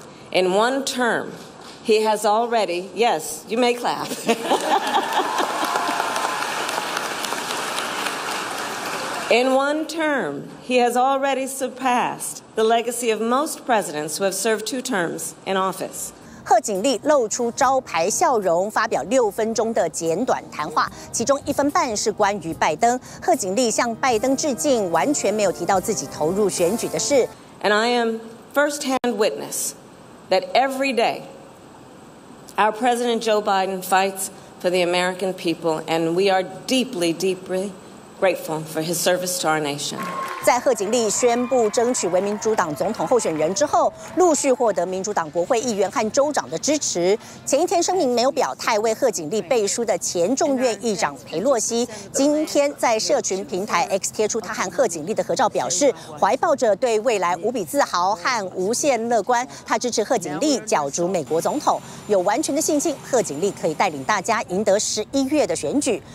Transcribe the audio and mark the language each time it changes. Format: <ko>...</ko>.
<en>In one term, he has already, yes, you may clap. In one term, he has already surpassed the legacy of most presidents who have served 2 terms in office.</en> <zh>贺锦丽露出招牌笑容，发表6分钟的简短谈话，其中1分半是关于拜登。贺锦丽向拜登致敬，完全没有提到自己投入选举的事。</zh> <en>And I am firsthand witness that every day our President Joe Biden fights for the American people, and we are deeply, deeply. Grateful for his service to our nation.</en> <zh>在贺锦丽宣布争取为民主党总统候选人之后，陆续获得民主党国会议员和州长的支持。前一天声明没有表态为贺锦丽背书的前众院议长佩洛西，今天在社群平台 X 贴出他和贺锦丽的合照，表示怀抱着对未来无比自豪和无限乐观，他支持贺锦丽角逐美国总统，有完全的信心贺锦丽可以带领大家赢得十一月的选举。</zh>